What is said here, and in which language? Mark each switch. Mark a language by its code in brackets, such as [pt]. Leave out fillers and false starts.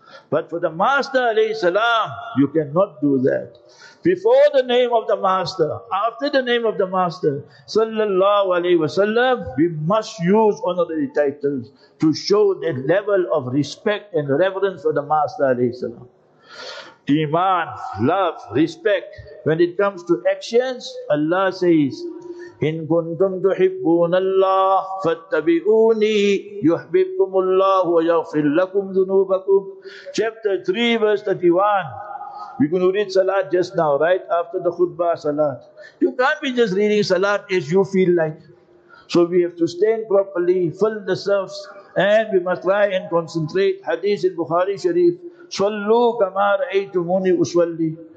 [en] But for the Master alayhi salam, you cannot do that. Before the name of the Master, after the name of the Master, sallallahu alayhi wa sallam, we must use honorary titles to show the level of respect and reverence for the Master alayhi salam. Iman, love, respect. When it comes to actions, Allah says, [ar] إِن كُنْتُمْ تُحِبُّونَ اللَّهِ فَاتَّبِعُونِي يُحْبِبْكُمُ اللَّهُ وَيَغْفِرْ لَكُمْ ذُنُوبَكُمْ. [en] Chapter 3 verse 31. We're going to read Salat just now, right? After the khutbah Salat. You can't be just reading Salat as you feel like. So we have to stand properly, fill the serfs, and we must try and concentrate. Hadith in Bukhari Sharif. [ar] صَلُّوا كَمَا رَأَيْتُمُونِي أُسْوَلِّي.